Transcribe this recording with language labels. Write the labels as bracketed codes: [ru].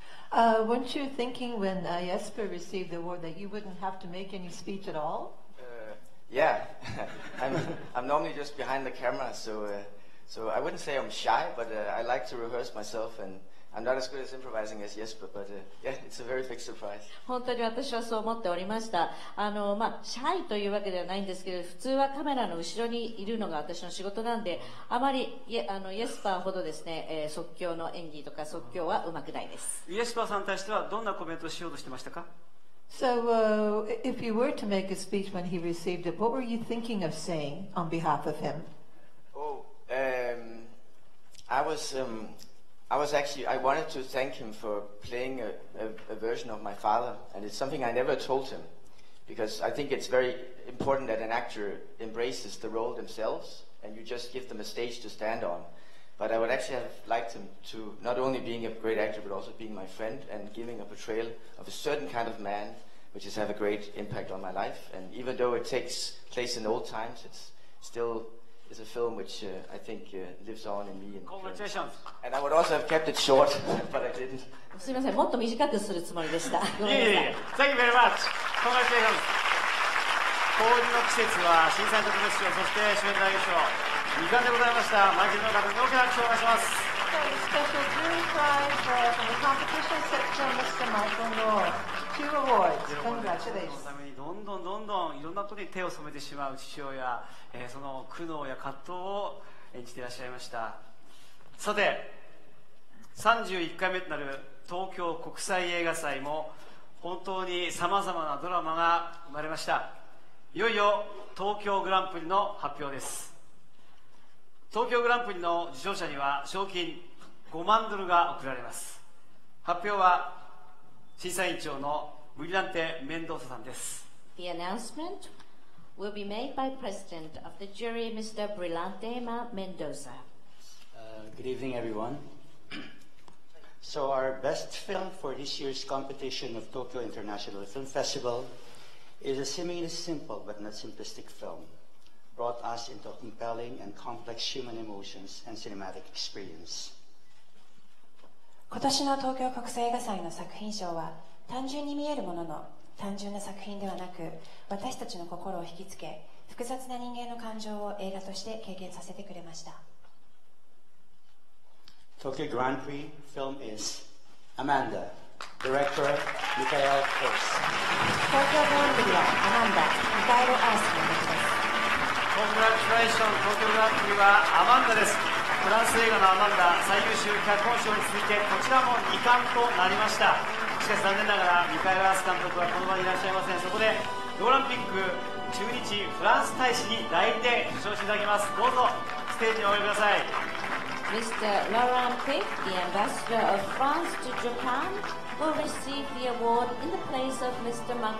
[en] Weren't you thinking when Jesper received the award that you wouldn't have to make any speech at all? Yeah. I'm normally just behind the camera, so I wouldn't say I'm shy, but I like to rehearse myself, and I'm not as good as improvising as Jesper, but it's a very big surprise. [ja] 本当に私はそう思っておりました。まあ、シャイというわけではないんですけど、普通はカメラの後ろにいるのが私の仕事なんで、あまりイエスパーほどですね、即興の演技とか即興はうまくないです。イエスパーさんに対してはどんなコメントをしようとしてましたか？ [en] So, if you were to make a speech when he received it, what were you thinking of saying on behalf of him? Oh, I wanted to thank him for playing a version of my father, and it's something I never told him, because I think it's very important that an actor embraces the role themselves, and you just give them a stage to stand on. But I would actually have liked him to not only being a great actor, but also being my friend and giving a portrayal of a certain kind of man, which has had a great impact on my life. And even though it takes place in old times, it's still is a film which I think lives on in me. Congratulations. And I would also have kept it short, but I didn't. [ja] すみません、もっと短くするつもりでした。いえいえ、 [en] Thank you very much. Congratulations. [ja] 氷の季節は審査員特別賞、そして主演男優賞。いかんでございました。マイケルの方に大きな拍手をお願いします。 [en] Special jury prize for the competition section, Mr. Michael Lord. Two awards. Congratulations. [ja] どんどんどんどんいろんなことに手を染めてしまう父親、その苦悩や葛藤を演じていらっしゃいました。さて、31回目となる東京国際映画祭も本当にさまざまなドラマが生まれました。いよいよ東京グランプリの発表です。東京グランプリの受賞者には賞金5万ドルが贈られます。発表は審査委員長のブリランテ・メンドーサさんです。 [en] The announcement will be made by President of the jury, Mr. Brillante Mendoza. Good evening, everyone. So our best film for this year's competition of Tokyo International Film Festival is a seemingly simple but not simplistic film, brought us into compelling and complex human emotions and cinematic experience. [ja] 今年の東京国際映画祭の作品賞は単純に見えるものの単純な作品ではなく、私たちの心を引きつけ、複雑な人間の感情を映画として経験させてくれました。 [en] Tokyo Grand Prix film is Amanda, director Mikhail Hirst. [ja] 東京グランプリは Amanda, ミカエル・アース監督です。 [en] Congratulations, [ja] Tokyo Grand Prix は Amanda です。フランス映画の Amanda、最優秀脚本賞に続いて、こちらも2冠となりました。しかし残念ながらミカエル・アース監督はこの場にいらっしゃいません。そこでドーランピック中日フランス大使に代理で受賞していただきます。どうぞステージにお呼びください。 [en] Mr. Laurent Pic, the ambassador of France to Japan, will receive the award in the place of Mr.